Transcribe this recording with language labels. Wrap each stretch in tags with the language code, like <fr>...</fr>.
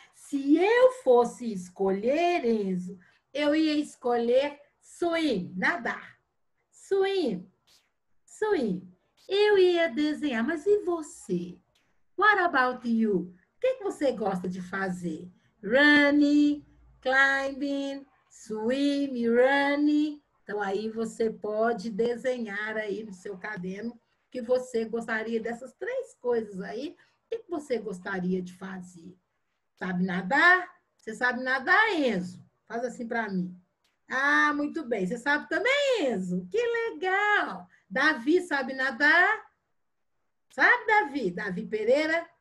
<pt>Se eu fosse escolher, Enzo, eu ia escolher swim, nadar. Swim, swim. Eu ia desenhar, mas e você? What about you? O que você gosta de fazer?</pt> <en>Running, climbing, swim, running.</en> <pt>Então, aí você pode desenhar aí no seu caderno que você gostaria dessas três coisas aí. O que você gostaria de fazer? Sabe nadar? Você sabe nadar, Enzo? Faz assim para mim. Ah, muito bem. Você sabe também, Enzo? Que legal! Davi sabe nadar? Sabe, Davi? Davi Pereira?</pt>